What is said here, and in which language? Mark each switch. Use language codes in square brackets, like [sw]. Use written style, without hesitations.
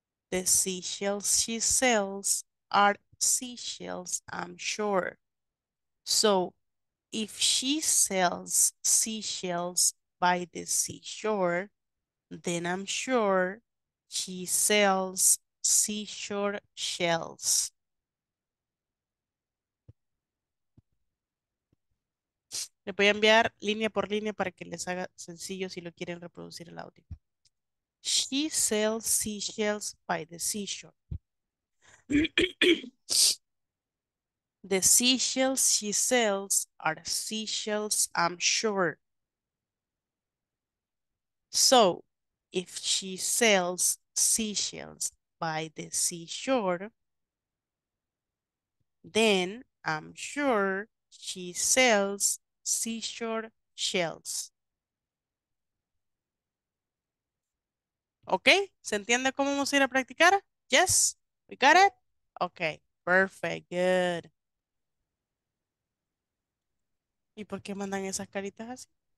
[en] The seashells she sells are seashells, I'm sure. So, if she sells seashells by the seashore, then I'm sure she sells seashore shells. [es] Le voy a enviar línea por línea para que les haga sencillo si lo quieren reproducir el audio. [en] She sells seashells by the seashore. The seashells she sells are seashells, I'm sure. So, if she sells seashells by the seashore, then I'm sure she sells seashore shells. ¿Ok? [es] ¿Se entiende cómo vamos a ir a practicar? [en] Yes? We got it? Ok. Perfect. Good. [es] ¿Y por qué mandan esas caritas así?